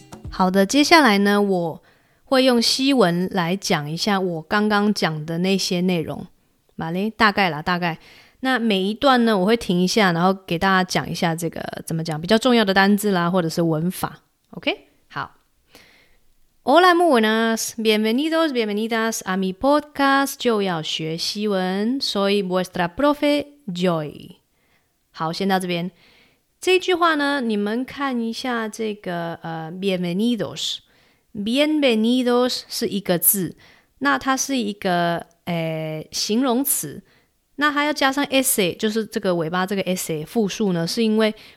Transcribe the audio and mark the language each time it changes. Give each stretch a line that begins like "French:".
Chinese: 好的，接下来呢我会用西文来讲一下我刚刚讲的那些内容，大概啦大概。那每一段呢我会停一下，然后给大家讲一下这个怎么讲比较重要的单字啦或者是文法。 OK， 好。
Spanish: Hola muy buenas， bienvenidos bienvenidas a mi podcast
Chinese: 就要学西文，
Spanish: soy vuestra profe Joy。
Chinese: 好，先到这边。这句话呢，你们看一下这个bienvenidos， bienvenidos 是一个字，那它是一个形容词，那它要加上 s， 就是这个尾巴这个 s 复数呢，是因为